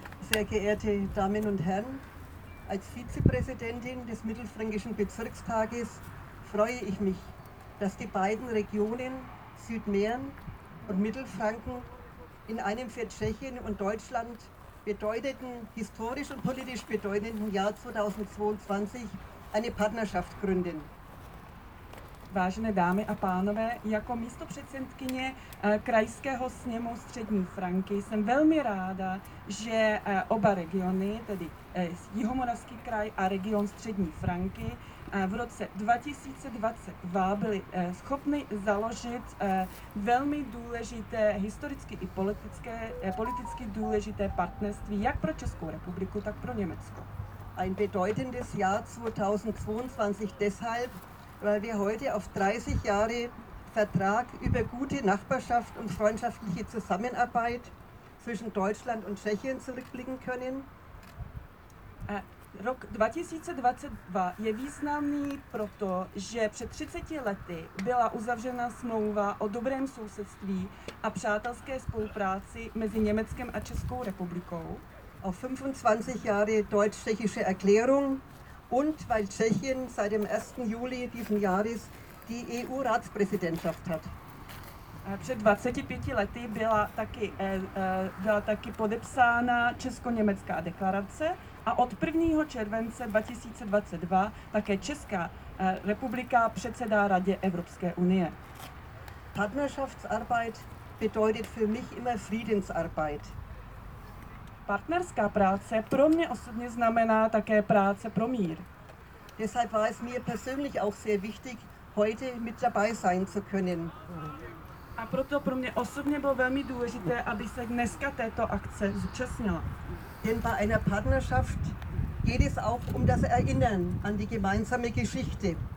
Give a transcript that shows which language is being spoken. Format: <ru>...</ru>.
<de>Sehr geehrte Damen und Herren, als Vizepräsidentin des Mittelfränkischen Bezirkstages freue ich mich, dass die beiden Regionen Südmähren und Mittelfranken in einem für Tschechien und Deutschland bedeutenden, historisch und politisch bedeutenden Jahr 2022 eine Partnerschaft gründen.</de> <cs>vážené dámy a pánové, jako místopředsedkyně krajského sněmu Střední Franky jsem velmi ráda, že oba regiony, tedy Jihomoravský kraj a region Střední Franky, v roce 2022 byly schopny založit velmi důležité historicky i politicky důležité partnerství jak pro Českou republiku, tak pro Německo.</cs> <de>Ein bedeutendes Jahr 2022 deshalb, weil wir heute auf 30 Jahre Vertrag über gute Nachbarschaft und freundschaftliche Zusammenarbeit zwischen Deutschland und Tschechien zurückblicken können.</de> <cs>Rok 2022 je významný proto, že před 30 lety byla uzavřena smlouva o dobrém sousedství a přátelské spolupráci mezi Německem a Českou republikou.</cs> <de>Auf 25 Jahre deutsch-tschechische Erklärung und weil Tschechien seit dem 1. Juli diesen Jahres die EU-Ratspräsidentschaft hat.</de> <cs>Před 25 lety byla taky podepsána česko-německá deklarace a od 1. července 2022 také Česká republika předsedá Radě Evropské unie.</cs> <de>Partnerschaftsarbeit bedeutet für mich immer Friedensarbeit.</de> <cs>Partnerská práce pro mě osobně znamená také práce pro mír.</cs> <de>Deshalb war es mir persönlich auch sehr wichtig, heute mit dabei sein zu können.</de> <cs>A proto pro mě osobně bylo velmi důležité, aby se dneska této akce zúčastnila.</cs> <de>Denn bei einer Partnerschaft geht es auch um das Erinnern an die gemeinsame Geschichte.</de>